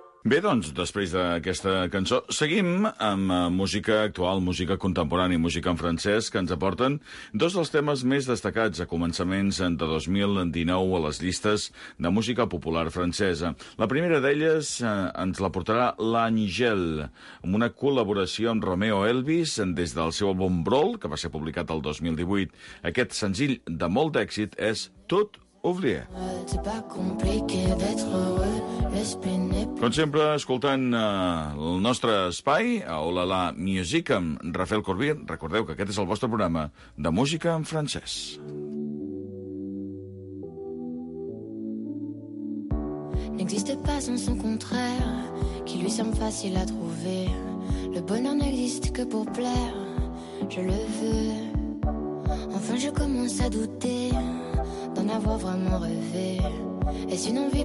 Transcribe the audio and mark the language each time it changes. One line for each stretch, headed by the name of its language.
Catalan: Bé, doncs, després d'aquesta cançó, seguim amb música actual, música contemporània i música en francès, que ens aporten dos dels temes més destacats a començaments de 2019 a les llistes de música popular francesa. La primera d'elles ens la portarà l'Angel, amb una col·laboració amb Romeo Elvis des del seu àlbum Brawl, que va ser publicat el 2018. Aquest senzill de molt d'èxit és Tout Oublier.
French: C'est pas compliqué d'être heureux.
Catalan: Com sempre, escoltant el nostre espai, a Olala Music amb Rafael Corbí, recordeu que aquest és el vostre programa de música en francès.
French: N'existe pas sans son contraire qui lui semble facile à trouver. Le bonheur n'existe que pour plaire. je le veux. Enfin je commence à douter d'en avoir vraiment rêvé. Est-ce une envie?